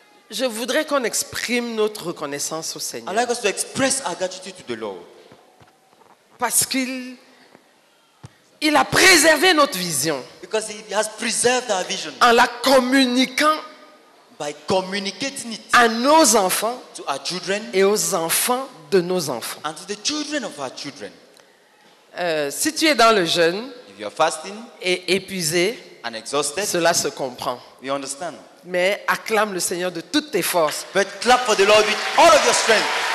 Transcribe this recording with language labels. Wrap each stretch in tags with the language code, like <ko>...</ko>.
<fr>Je voudrais qu'on exprime notre reconnaissance au Seigneur.</fr> <en>I like us to express our gratitude to the Lord.</en> <fr>Parce qu'il a préservé notre vision.</fr> <en>Because he has preserved our vision.</en> <fr>En la communiquant,</fr> <en>by communicating it,</en> <fr>à nos enfants,</fr> <en>to our children,</en> <fr>et aux enfants de nos enfants.</fr> <en>And to the children of our children.</en> <fr>Si tu es dans le jeûne,</fr> <en>if you are fasting,</en> <fr>et épuisé,</fr> <en>and exhausted,</en> <fr>cela se comprend.</fr> <en>We understand.</en> <fr>Mais acclame le Seigneur de toutes tes forces.</fr> <en>But clap for the Lord with all of your strength.</en>